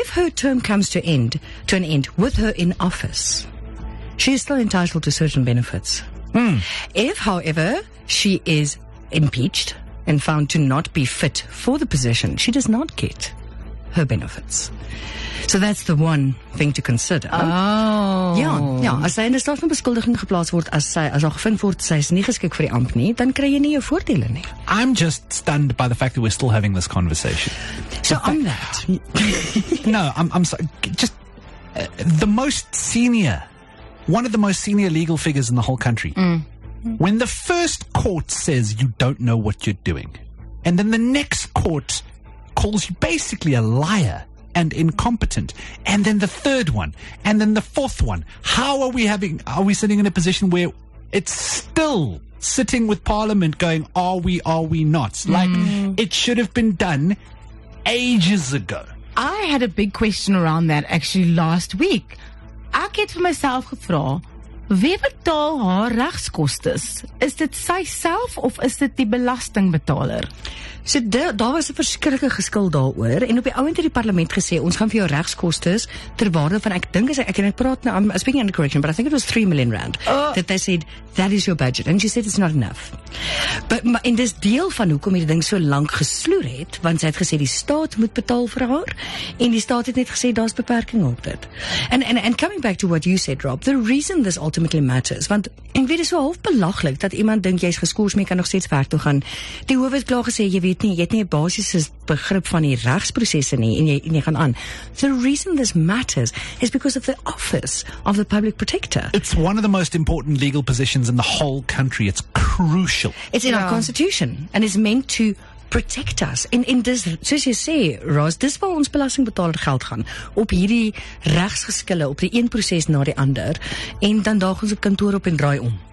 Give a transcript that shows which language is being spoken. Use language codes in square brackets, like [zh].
[en] If her term comes to an end with her in office, she is still entitled to certain benefits. If, however, she is impeached and found to not be fit for the position, she does not get her benefits. So that's the one thing to consider. Oh. [af] Ja, ja. As sy in die staat van beskuldiging geplaas word, as al gevind word, sy is nie geskik vir die amp nie, dan kry jy nie jou voordele nie. [en] I'm just stunned by the fact that we're still having this conversation. So on that. No, I'm sorry. Just the most senior... One of the most senior legal figures in the whole country. Mm. When the first court says you don't know what you're doing, and then the next court calls you basically a liar and incompetent, and then the third one, and then the fourth one, are we sitting in a position where it's still sitting with Parliament going, are we not? Mm. Like, it should have been done ages ago. I had a big question around that actually last week. [af] Ek het vir myself gevra, wie betaal haar regskostes? Is dit sy self of is dit die belastingbetaler? So daar was 'n verskriklike geskil daaroor en op die ouend het die parlement gesê ons gaan vir jou regskostes ter waarde van [en] I think it was 3 million rand. That they said that is your budget and she said it's not enough. But in this [af] deel van hoekom hierdie ding so lank gesloer het, want sy het gesê die staat moet betaal vir haar en die staat het net gesê daar's beperking op dit. [en] And coming back to what you said, Rob, the reason this ultimately matters. [af] Want ek weet dit is wel half belaglik dat iemand dink jy is geskoors maar jy kan nog steeds werk toe gaan. Die hof het klaar gesê jy weet nie, jy het nie 'n basiese begrip van die regsprosesse nie en jy gaan aan. [en] The reason this matters is because of the office of the public protector. It's one of the most important legal positions in the whole country. It's crucial. It's in our constitution and is meant to protect us. [af] In dis, soos jy sê, Ros, dis waar ons belastingbetaler geld gaan, op hierdie regsgeskille, op die een proses na die ander, en dan daag ons op kantoor op en draai om.